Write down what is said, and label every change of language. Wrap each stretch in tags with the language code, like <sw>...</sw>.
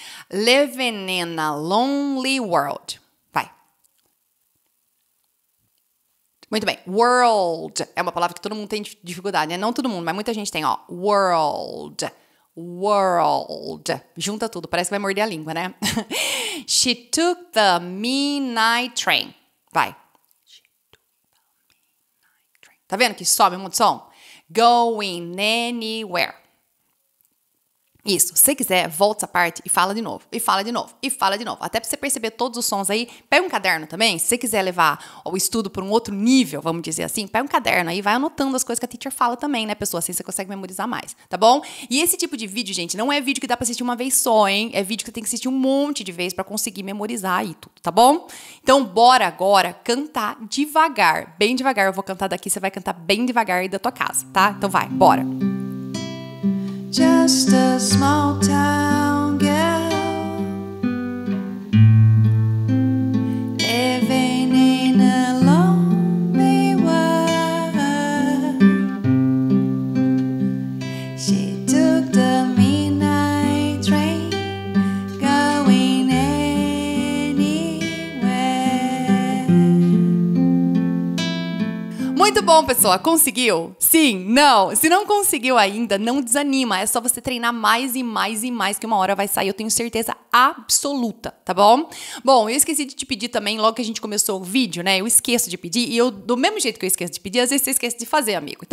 <en>Living in a lonely world.</en> <pt>Vai. Muito bem. World. É uma palavra que todo mundo tem dificuldade, né? Não todo mundo, mas muita gente tem, ó. World. world. Junta tudo, parece que vai morder a língua, né?</pt> <en>She took the midnight train.</en> <pt>Vai. Tá vendo que sobe um monte de som?</pt> <en>Going anywhere.</en> <pt>Isso. Se você quiser, volta essa parte e fala de novo. E fala de novo. E fala de novo. Até pra você perceber todos os sons aí. Pega um caderno também. Se você quiser levar o estudo pra um outro nível, vamos dizer assim, pega um caderno aí e vai anotando as coisas que a teacher fala também, né, pessoa? Assim você consegue memorizar mais. Tá bom? E esse tipo de vídeo, gente, não é vídeo que dá pra assistir uma vez só, hein? É vídeo que você tem que assistir um monte de vezes pra conseguir memorizar aí tudo. Tá bom? Então, bora agora cantar devagar. Bem devagar. Eu vou cantar daqui. Você vai cantar bem devagar aí da tua casa, tá? Então vai. Bora.</pt> <en>Just a small town girl living in a lonely world. She took the midnight train going anywhere.</en> <pt>Muito bom, pessoa, conseguiu? Sim, não. Se não conseguiu ainda, não desanima. É só você treinar mais e mais e mais que uma hora vai sair. Eu tenho certeza absoluta, tá bom? Bom, eu esqueci de te pedir também, logo que a gente começou o vídeo, né? Eu esqueço de pedir e eu, do mesmo jeito que eu esqueço de pedir, às vezes você esquece de fazer, amigo.</pt>